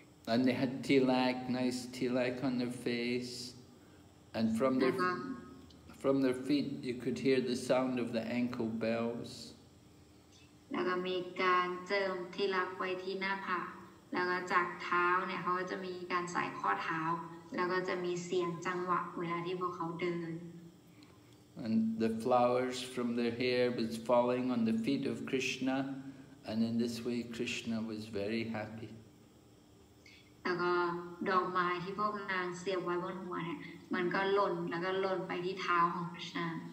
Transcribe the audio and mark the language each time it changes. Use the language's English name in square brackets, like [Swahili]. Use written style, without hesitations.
[English] And they had tilak, nice tilak on their face, and from their feet you could hear the sound of the ankle bells. [Thai] แล้วก็มีการเจิมทิลักไว้ที่หน้าผากแล้วก็จากเท้าเนี่ยเขาจะมีการใส่ข้อเท้าแล้วก็จะมีเสียงจังหวะเวลาที่พวกเขาเดิน [English] And the flowers from their hair was falling on the feet of Krishna, and in this way Krishna was very happy. [Thai] แล้วก็ดอกไม้ที่พวกนางเสียบไว้บนหัวเนี่ยมันก็หล่นแล้วก็หล่นไปที่เท้าของ Krishna.